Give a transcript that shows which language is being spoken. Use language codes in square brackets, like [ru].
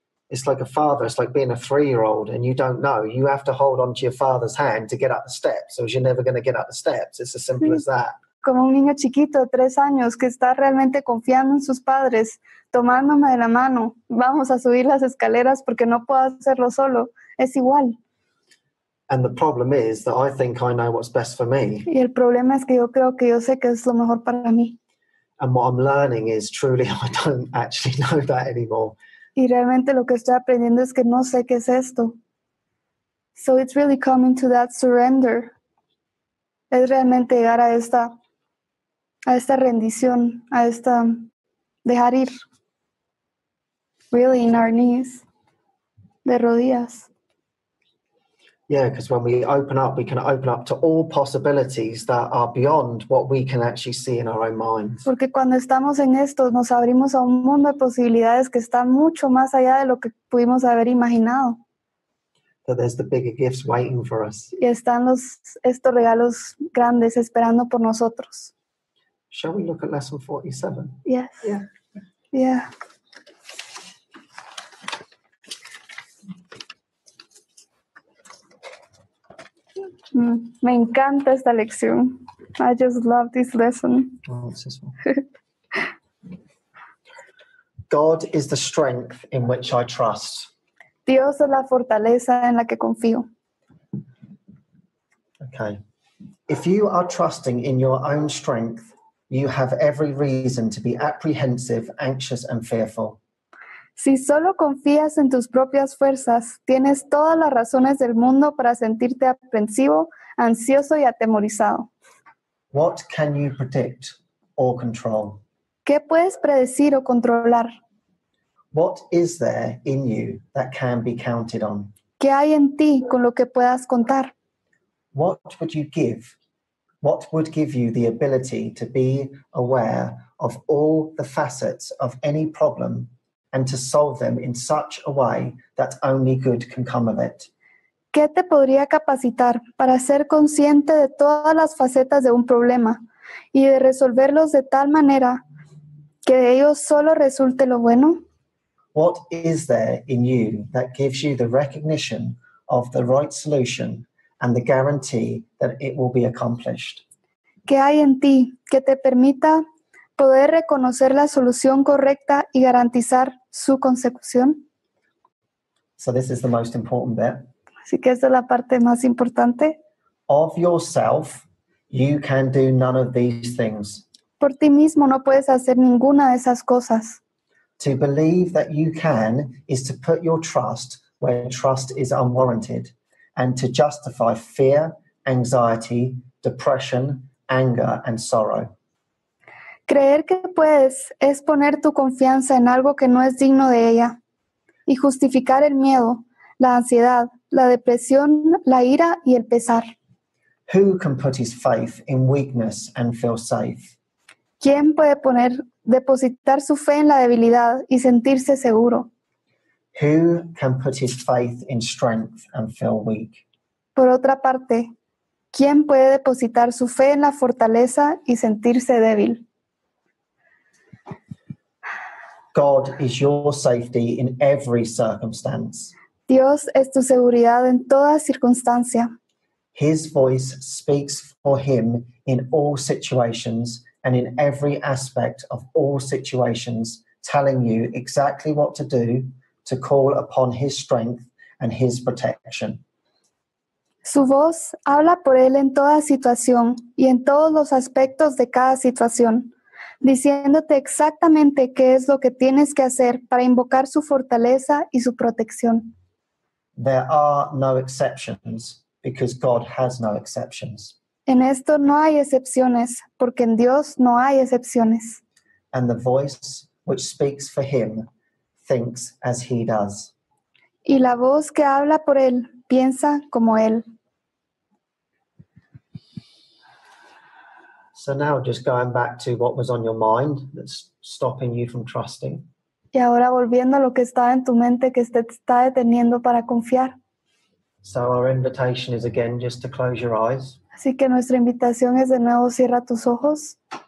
[en] It's like a father, it's like being a three-year-old, and you don't know. You have to hold on to your father's hand to get up the steps, or you're never going to get up the steps. It's as simple as that. [es] Como un niño chiquito de 3 años que está realmente confiando en sus padres, tomándome de la mano, vamos a subir las escaleras porque no puedo hacerlo solo. Es igual. [en] And the problem is that I think I know what's best for me. [es] Y el problema es que yo creo que yo sé que es lo mejor para mí. [en] And what I'm learning is truly I don't actually know that anymore. [es] Y realmente lo que estoy aprendiendo es que no sé qué es esto. [en] So it's really coming to that surrender. [es] Es realmente llegar a esta rendición, a esta dejar ir. [en] Really in our knees, [es] de rodillas. [en] Yeah, because when we open up, we can open up to all possibilities that are beyond what we can actually see in our own minds. [es] Porque cuando estamos en esto, nos abrimos a un mundo de posibilidades que está mucho más allá de lo que pudimos haber imaginado. [en] That there's the bigger gifts waiting for us. [es] Y están estos regalos grandes esperando por nosotros. [en] Shall we look at lesson 47? Yes. Yeah. Yeah. [es] Me encanta esta lección. [en] I just love this lesson. God is the strength in which I trust. [es] Dios es la fortaleza en la que confío. [en] Okay. If you are trusting in your own strength, you have every reason to be apprehensive, anxious, and fearful. [es] Si solo confías en tus propias fuerzas, tienes todas las razones del mundo para sentirte aprensivo, ansioso y atemorizado. [en] What can you predict or control? [es] ¿Qué puedes predecir o controlar? [en] What is there in you that can be counted on? [es] ¿Qué hay en ti con lo que puedas contar? [en] What would give you the ability to be aware of all the facets of any problem and to solve them in such a way that only good can come of it? [es] ¿Qué te podría capacitar para ser consciente de todas las facetas de un problema y de resolverlos de tal manera que de ellos solo resulte lo bueno? [en] What is there in you that gives you the recognition of the right solution and the guarantee that it will be accomplished? [es] ¿Qué hay en ti que te permita poder reconocer la solución correcta y garantizar su consecución? [en] So this is the most important bit. [es] Así que esta es la parte más importante. [en] Of yourself, you can do none of these things. [es] Por ti mismo no puedes hacer ninguna de esas cosas. [en] To believe that you can is to put your trust where trust is unwarranted and to justify fear, anxiety, depression, anger, and sorrow. [es] Creer que puedes es poner tu confianza en algo que no es digno de ella y justificar el miedo, la ansiedad, la depresión, la ira y el pesar. [en] Who can put his faith in weakness and feel safe? [es] ¿Quién puede depositar su fe en la debilidad y sentirse seguro? [en] Who can put his faith in strength and feel weak? [es] Por otra parte, ¿quién puede depositar su fe en la fortaleza y sentirse débil? [en] God is your safety in every circumstance. [es] Dios es tu seguridad en toda circunstancia. [en] His voice speaks for him in all situations and in every aspect of all situations, telling you exactly what to do, to call upon his strength and his protection. [es] Su voz habla por él en toda situación y en todos los aspectos de cada situación, diciéndote exactamente qué es lo que tienes que hacer para invocar su fortaleza y su protección. [en] There are no exceptions because God has no exceptions. [es] En esto no hay excepciones, porque en Dios no hay excepciones. [en] And the voice which speaks for him thinks as he does. [es] Y la voz que habla por él piensa como él. [en] So now just going back to what was on your mind that's stopping you from trusting. [es] Y ahora volviendo a lo que estaba en tu mente que te está deteniendo para confiar. [en] So our invitation is again just to close your eyes. [es] Así que nuestra invitación es de nuevo cierra tus ojos.